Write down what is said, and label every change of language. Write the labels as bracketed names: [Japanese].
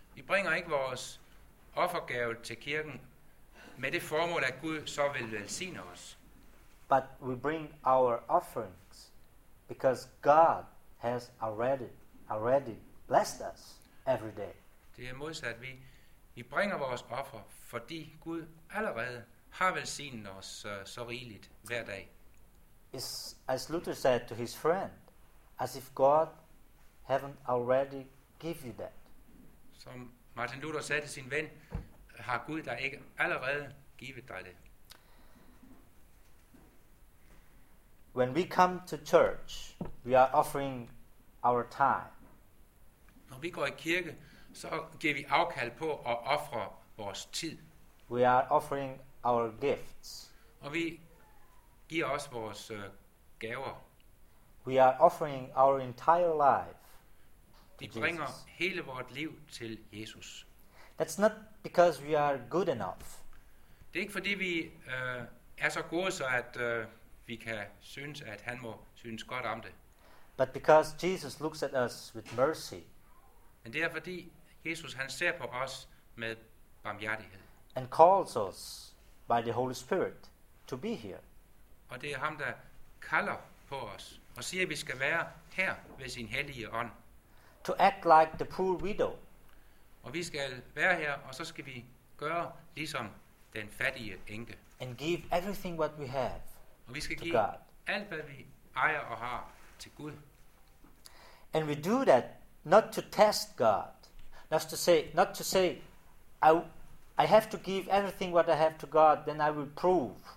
[Danish] Vi bringer ikke vores offergave til kirken med det formål at Gud så vil velsigne os. [English] But we bring our offerings because God has already blessed us every day. [Danish] Det er modsat. Vi bringer vores offer, fordi Gud allerede har velsignet os så rigeligt hver dag. [English] It's as Luther said to his friend, as if God haven't already give you that. [Danish] Som Martin Luther sagde til sin ven, har Gud da ikke allerede givet dig det. [English] When we come to church, we are offering our time. [Danish] Når vi går i kirke, så giver vi afkald på at ofre vores tid. [English] We are offering our gifts. [Danish] Og vi giver også vores gaver. [English] We are offering our entire life. [Danish] Vi bringer hele vores liv til Jesus. [English] That's not because we are good enough. [Danish] Det er ikke fordi vi er så gode, så at vi kan synes, at han må synes godt om det. [English] But because Jesus looks at us with mercy. [Danish] Men det er fordi Jesus han ser på os med barmhjertighed. [English] And calls us by the Holy Spirit to be here. [Danish] Og det er ham der kalder på os og siger, at vi skal være her ved sin hellige ånd. [English] To act like the poor widow. [Danish] Og vi skal være her, og så skal vi gøre ligesom den fattige enke. [English] And give everything what we have. [Danish] Og vi skal [English] to give God. [Danish] Alt hvad vi ejer og har til Gud. [English] And we do that not to test God, not to say I have to give everything what I have to God, then I will prove.